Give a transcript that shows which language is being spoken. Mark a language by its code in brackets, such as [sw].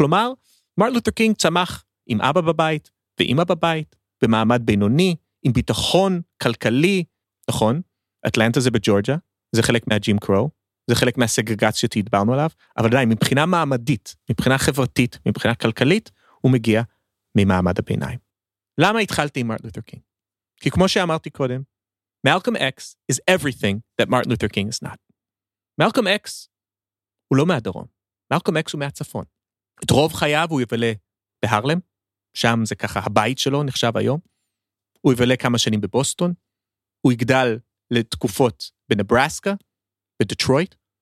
[he] כלומר, מרטין לותר קינג צמח עם אבא בבית ואמא בבית, במעמד בינוני, עם ביטחון כלכלי, נכון? אטלנטה זה בג'ורג'ה, זה חלק מהג'ים קרו, זה חלק מהסגרגציה שהדברנו עליו, אבל עדיין, מבחינה מעמדית, מבחינה חברתית, מבחינה כלכלית, הוא מגיע ממעמד הביניים. למה התחלתי עם מרטין לותר קינג? כי כמו שאמרתי קודם, [en] Malcolm X is everything that Martin Luther King is not. [he] Malcolm X הוא לא מהדרום. Malcolm X הוא מהצפון. את רוב חייו הוא יבלה בהרלם, שם זה ככה הבית שלו נחשב היום. הוא יבלה כמה שנים בבוסטון. הוא יגדל לתקופות בנברסקה, בדטרויט.